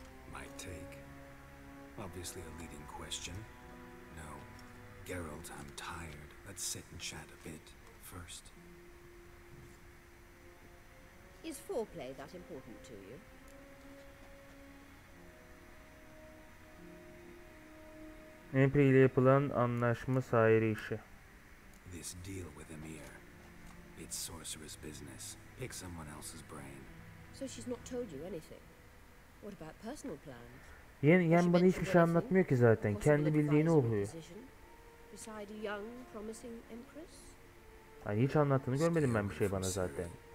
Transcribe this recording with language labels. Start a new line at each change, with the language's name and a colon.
English: My take? Obviously a leading question. No, Geralt, I'm tired. Let's sit and chat a bit first. Is foreplay that important to you?
Turkish: Emperor ile yapılan anlaşma sahiri işi.
English: This deal with Emir. It's sorceress business. Pick someone else's brain. So she's not told you anything. What about personal plans?
Turkish: Yen bana hiçbir şey anlatmıyor ki zaten. Kendi bildiğini okuyor.
English: Beside a young, promising empress.
Turkish: Yani hiç anlattığını görmedim ben bir şey bana zaten.